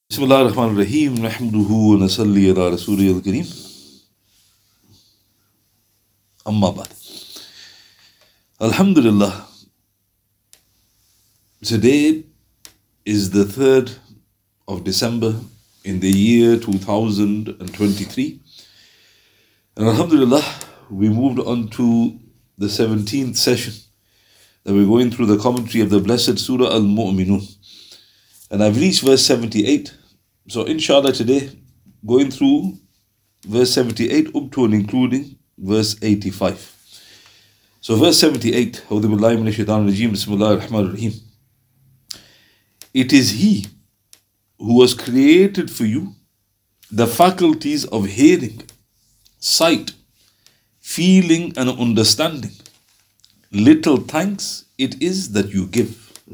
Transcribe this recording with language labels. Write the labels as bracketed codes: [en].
[ar] بسم الله الرحمن الرحيم نحمده ونصلي على رسوله الكريم أما بعد الحمد لله. [en] Today is the 3rd of December in the year 2023, and alhamdulillah we moved on to the 17th session that we're going through the commentary of the blessed Surah Al-Muminoon, and I've reached verse 78. So inshallah today, going through verse 78 up to and including verse 85. So verse 78, [ar] أعوذ بالله من الشيطان الرجيم بسم الله الرحمن الرحيم. [en] It is He who has created for you the faculties of hearing, sight, feeling and understanding. Little thanks it is that you give.